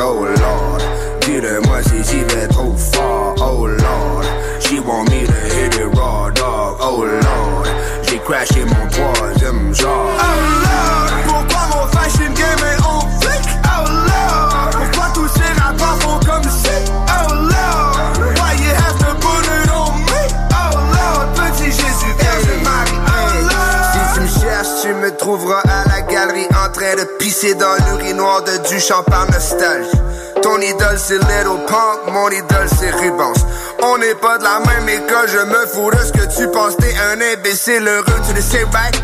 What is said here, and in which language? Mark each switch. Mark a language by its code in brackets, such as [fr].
[fr] Oh Lord, dis-le-moi si j'y vais trop fort. [en] Oh Lord, she want me to hit it raw dog. [fr] Oh Lord, j'ai crashé mon troisième genre. Oh Lord, pourquoi mon fashion game est on fleek? Oh Lord, pourquoi tous ces rappeurs font comme si? [en] Oh Lord, why you have to put it on me? [fr] Oh Lord, petit Jésus, viens de m'arrêter. Si tu me cherches, tu me trouveras à la galerie en train de pisser dans l'urinoir de du champagne nostalgie. Ton idole c'est Little Punk, mon idole c'est Rubens. On n'est pas de la même école, je me fous de ce que tu penses. T'es un imbécile heureux, tu le sais, right?